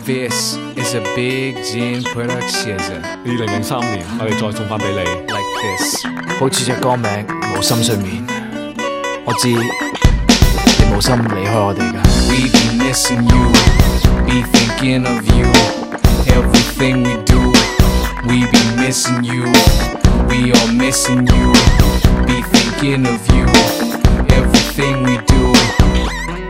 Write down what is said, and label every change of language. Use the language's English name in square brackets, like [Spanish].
[English] This is a big Jean production. [Cantonese] 2003年，我哋再送翻俾你。 [English] Like this， [Cantonese] 好似只歌名《无心睡眠》。我知你无心离开我哋噶。 [English] We be missing you, be thinking of you, everything we do. We be missing you, we are missing you, be thinking of you, everything we do.